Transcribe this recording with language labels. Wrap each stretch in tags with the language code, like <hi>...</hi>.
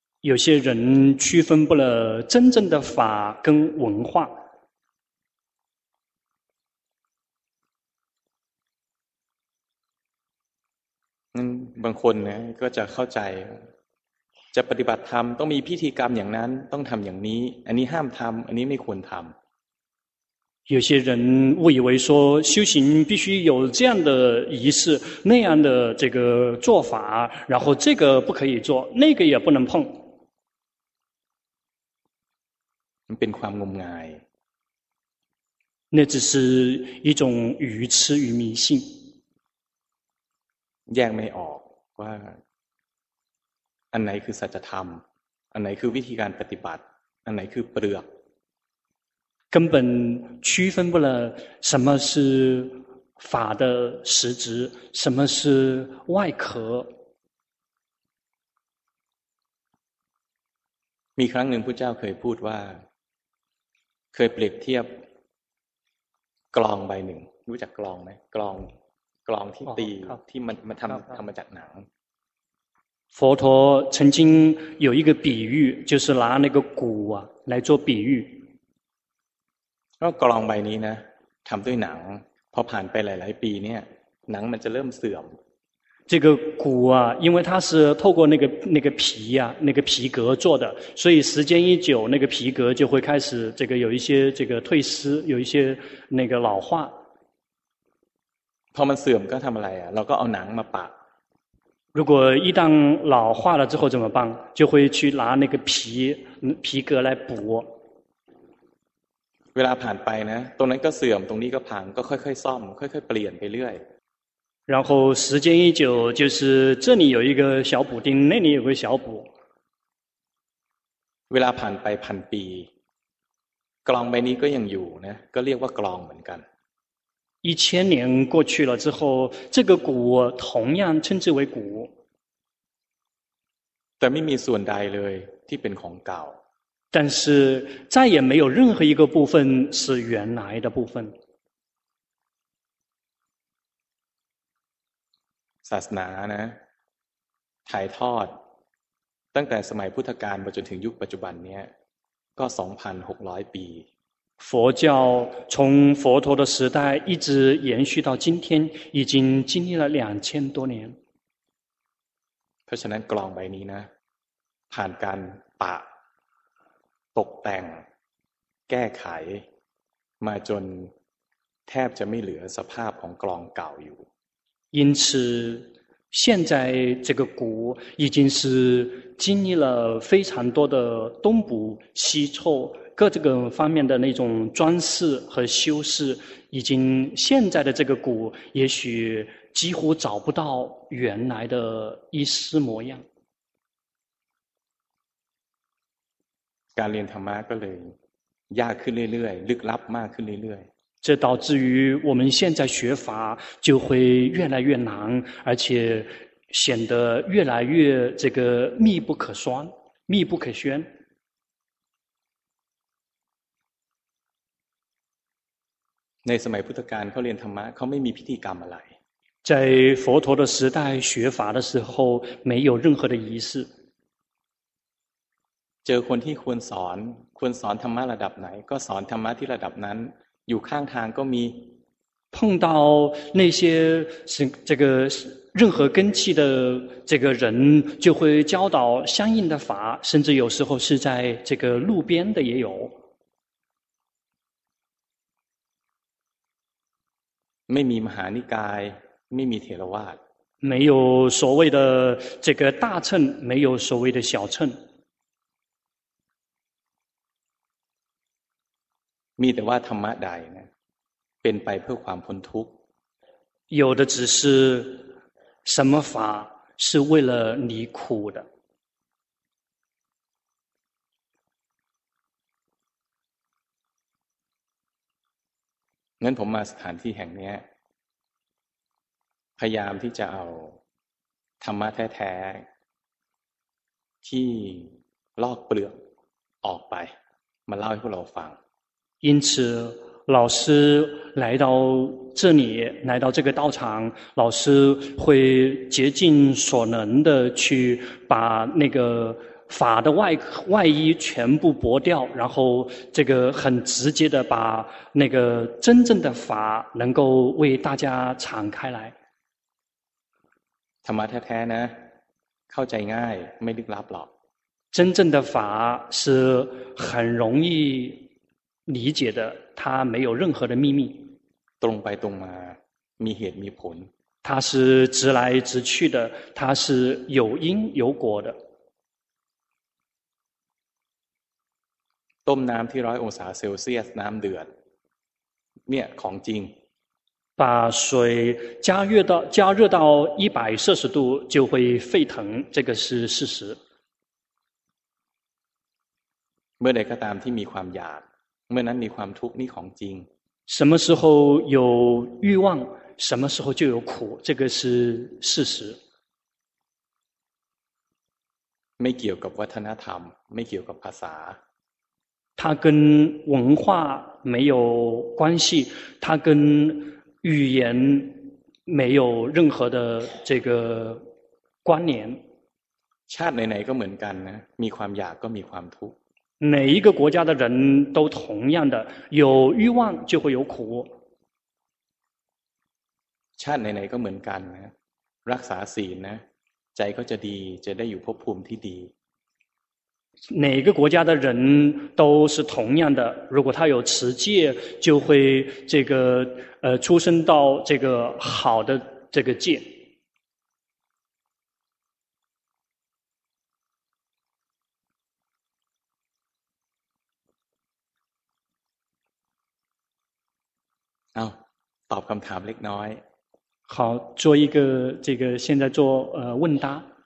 <zh>有些人区分不了真正的法跟文化</zh> <th>บางคนนะก็จะเข้าใจจะปฏิบัติธรรมต้องมีพิธีกรรมอย่างนั้นต้องทำอย่างนี้อันนี้ห้ามทำอันนี้ไม่ควรทำ</th> <zh>有些人误以为说修行必须有这样的仪式那样的这个做法然后这个不可以做那个也不能碰</zh> <th>เป็นความงมงาย</th> <zh>那只是一种愚痴与迷信</zh> <th>แยกไม่ออกว่าอันไหนคือสัจธรรมอันไหนคือวิธีการปฏิบัติอันไหนคือเปลือก</th> <zh>根本区分不了什么是法的实质什么是外壳</zh> <th>มีครั้งหนึ่งพุทธเจ้าเคยพูดว่าเคยเปรียบเทียบกลองใบหนึ่งรู้จักกลองไหมกลองที่ตีที่มันทำมาจากหนัง</th> <zh>佛陀曾经有一个比喻，就是拿那个鼓啊来做比喻。</zh> <th>那กลองใบนี้นะทำด้วยหนังพอผ่านไปหลายๆปีเนี่ยหนังมันจะเริ่มเสื่อม。</th> <zh>这个鼓啊，因为它是透过那个皮啊，那个皮革做的，所以时间一久，那个皮革就会开始这个有一些这个褪丝，有一些那个老化。</zh> <th>พอมันเสื่อมก็ทำอะไรอ่ะเราก็เอาหนังมาปะ</th> <zh>如果一旦老化了之后怎么办？就会去拿那个皮革来补。</zh> <th>เวลาผ่านไปนะตรงนั้นก็เสื่อมตรงนี้ก็พังก็ค่อยๆซ่อมค่อยๆเปลี่ยนไปเรื่อย。</th> <zh>然后时间一久，就是这里有一个小补丁，那里有个小补。</zh> <th>เวลาผ่านไปพันปีกลองใบนี้ก็ยังอยู่นะก็เรียกว่ากลองเหมือนกัน</th> <zh>一千年过去了之后，这个鼓同样称之为鼓。</zh> <th>แต่ไม่มีส่วนใดเลยที่เป็นของเก่า。</th> <zh>但是再也没有任何一个部分是原来的部分。</zh> <th>ศาสนานะถ่ายทอดตั้งแต่สมัยพุทธกาลมาจนถึงยุคปัจจุบันเนี้ยก็2600ปี。</th> <zh>佛教从佛陀的时代一直延续到今天，已经经历了2000多年。</zh> <th>เพราะฉะนั้นกลองใบนี้นะผ่านการปะตกแต่งแก้ไขมาจนแทบจะไม่เหลือสภาพของกลองเก่าอยู่。</th> <zh>因此，现在这个鼓已经是经历了非常多的东补西凑。各这个方面的那种装饰和修饰，已经现在的这个鼓，也许几乎找不到原来的一丝模样。</zh> <th>การเรียนธรรมะก็เลยยากขึ้นเรื่อยๆ ลึกลับมากขึ้นเรื่อย</th> <zh>ๆ这导致于我们现在学法就会越来越难，而且显得越来越这个密不可宣，密不可宣。</zh> <th>ในสมัยพุทธกาลเขาเรียนธรรมะเขาไม่มีพิธีกรรมอะไร</th> <zh>在佛陀的时代学法的时候没有任何的仪式</zh> <th>เจอคนที่ควรสอนควรสอนธรรมะระดับไหนก็สอนธรรมะที่ระดับนั้นอยู่ข้างทางก็มี</th> <zh>碰到那些这个任何根器的这个人就会教导相应的法甚至有时候是在这个路边的也有</zh> <th>ไม่มีมหานิกายไม่มีเถรวาท</th> <zh>没有所谓的这个大乘没有所谓的小乘</zh> <th>มีแต่ว่าธรรมะใดนะเป็นไปเพื่อความพ้นทุกข์</th> <zh>有的只是什么法是为了离苦的</zh> <th>งั้นผมมาสถานที่แห่งนี้พยายามที่จะเอาธรรมะแท้ๆที่ลอกเปลือกออกไปมาเล่าให้พวกเราฟัง</th> <zh>因此老师来到这里来到这个道场，老师会竭尽所能的去把那个法的外衣全部剥掉，然后这个很直接的把那个真正的法能够为大家敞开来。</zh> <th>ธรรมะแท้ๆนะเข้าใจง่ายไม่ลึกลับหรอก</th> <zh>真正的法是很容易理解的，它没有任何的秘密。</zh> <th>ตรงไปตรงมามีเหตุมีผล</th> <zh>它是直来直去的，它是有因有果的。</zh> <th>ต้มน้ำที่ร้อยองศาเซลเซียสน้ำเดือดเนี่ยของจริง</th> <zh>把水加热到100摄氏度就会沸腾，这个是事实。</zh> <th>เมื่อใดก็ตามที่มีความอยากเมื่อนั้นมีความทุกข์นี่ของจริง</th> <zh>什么时候有欲望什么时候就有苦，这个是事实。</zh> <th>ไม่เกี่ยวกับวัฒนธรรมไม่เกี่ยวกับภาษา</th> <zh>它跟文化没有关系，它跟语言没有任何的这个关联。</zh> <th>ชาติไหนๆก็เหมือนกันนะมีความอยากก็มีความทุกข์</th> <zh>哪一个国家的人都同样的有欲望就会有苦。</zh> <th>ชาติไหนๆก็เหมือนกันนะรักษาศีลนะใจก็จะดีจะได้อยู่ภพภูมิที่ดี</th> <zh>哪个国家的人都是同样的，如果他有持戒，就会这个出生到这个好的这个戒。啊，答</zh> <th>คำถามเล็กน้อย。</th> <zh>好，做一个这个现在做问答。</zh>